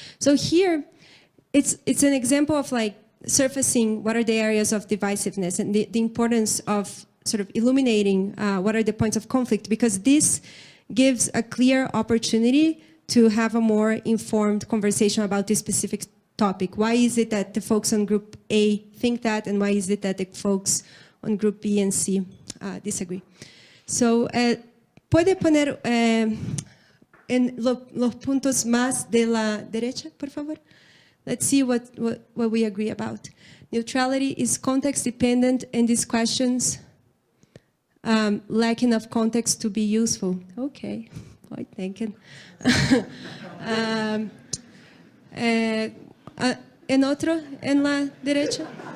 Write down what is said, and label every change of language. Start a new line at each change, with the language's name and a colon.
English: So here, it's an example of like surfacing what are the areas of divisiveness and the importance of sort of illuminating what are the points of conflict, because this gives a clear opportunity to have a more informed conversation about this specific topic. Why is it that the folks on group A think that, and why is it that the folks on group B and C disagree?
Spanish: So, ¿puede poner en los puntos más de la derecha, por favor?
English: Let's see what we agree about. Neutrality is context dependent, and these questions lack enough context to be useful. Okay, I'm thinking.
Spanish: en otro, en la derecha.